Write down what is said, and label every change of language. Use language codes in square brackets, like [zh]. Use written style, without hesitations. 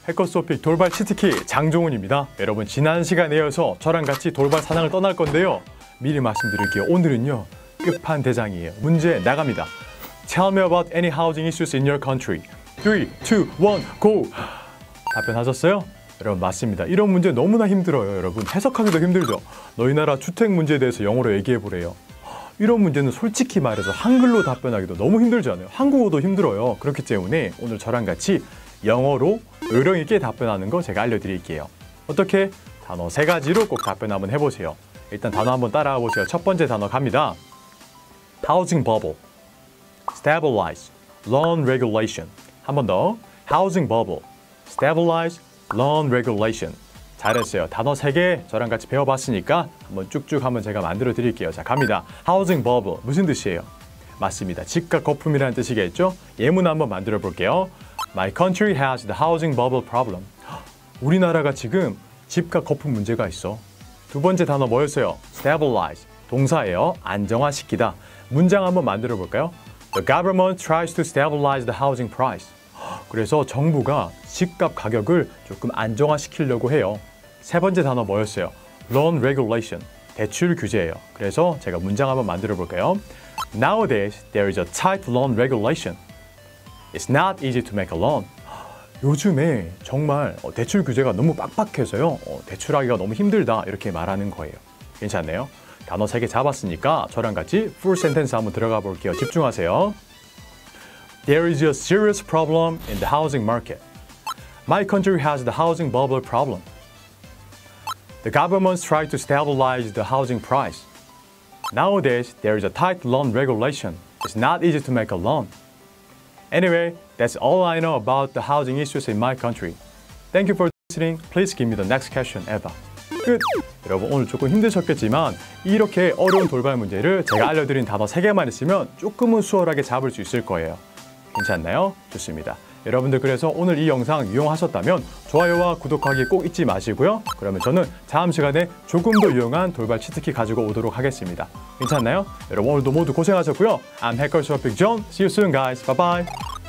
[ko] 해커스오픽 돌발 치트키 장종훈입니다. 여러분 지난 시간에 이어서 저랑 같이 돌발 사냥을 떠날 건데요. 미리 말씀드릴게요. 오늘은요. 끝판대장이에요. 문제 나갑니다. [en] Tell me about any housing issues in your country. [ko] 3, 2, 1, go! 답변하셨어요? 여러분 맞습니다. 이런 문제 너무나 힘들어요. 여러분 해석하기도 힘들죠. 너희 나라 주택 문제에 대해서 영어로 얘기해보래요. 이런 문제는 솔직히 말해서 한글로 답변하기도 너무 힘들지 않아요? 한국어도 힘들어요. 그렇기 때문에 오늘 저랑 같이 영어로 의령있게 답변하는 거 제가 알려드릴게요. 어떻게? 단어 세 가지로 꼭 답변 한번 해보세요. 일단 단어 한번 따라와 보세요. 첫 번째 단어 갑니다. [en] Housing bubble. Stabilize. Loan regulation. [ko] 한 번 더. [en] Housing bubble. Stabilize. Loan regulation. [ko] 잘했어요. 단어 세 개 저랑 같이 배워봤으니까 한번 쭉쭉 한번 제가 만들어 드릴게요. 자, 갑니다. Housing bubble. 무슨 뜻이에요? 맞습니다. 집값 거품이라는 뜻이겠죠? 예문 한번 만들어 볼게요. [en] My country has the housing bubble problem. [ko] 우리나라가 지금 집값 거품 문제가 있어. 두 번째 단어 뭐였어요? Stabilize. 동사예요. 안정화시키다. 문장 한번 만들어 볼까요? [en] The government tries to stabilize the housing price. [ko] 그래서 정부가 집값 가격을 조금 안정화시키려고 해요. 세 번째 단어 뭐였어요? Loan regulation. 대출 규제예요. 그래서 제가 문장 한번 만들어 볼까요? [en] Nowadays, there is a tight loan regulation. It's not easy to make a loan. [ko] 요즘에 정말 대출 규제가 너무 빡빡해서요. 대출하기가 너무 힘들다 이렇게 말하는 거예요. 괜찮네요. 단어 3개 잡았으니까 저랑 같이 풀 센텐스 한번 들어가 볼게요. 집중하세요. [en] There is a serious problem in the housing market. My country has the housing bubble problem. The government's trying to stabilize the housing price. Nowadays, there is a tight loan regulation. It's not easy to make a loan. Anyway, that's all I know about the housing issues in my country. Thank you for listening. Please give me the next question ever. [ko] 끝! 여러분 오늘 조금 힘드셨겠지만 이렇게 어려운 돌발 문제를 제가 알려드린 단어 3개만 있으면 조금은 수월하게 잡을 수 있을 거예요. 괜찮나요? 좋습니다. 여러분들 그래서 오늘 이 영상 유용하셨다면 좋아요와 구독하기 꼭 잊지 마시고요. 그러면 저는 다음 시간에 조금 더 유용한 돌발 치트키 가지고 오도록 하겠습니다. 괜찮나요? 여러분 오늘도 모두 고생하셨고요. [en] I'm Hacker Shopping John. See you soon, guys. Bye-bye.